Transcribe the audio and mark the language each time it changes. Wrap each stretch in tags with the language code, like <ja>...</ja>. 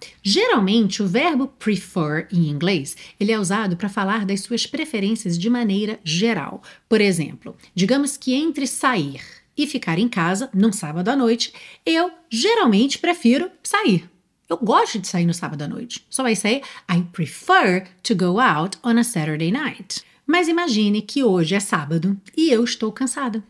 <pt>Geralmente, o verbo prefer em inglês, ele é usado para falar das suas preferências de maneira geral. Por exemplo, digamos que entre sair e ficar em casa, num sábado à noite, eu geralmente prefiro sair. Eu gosto de sair no sábado à noite.</pt> <en>So I say, I prefer to go out on a Saturday night.</en> <pt>Mas imagine que hoje é sábado e eu estou cansada.</pt>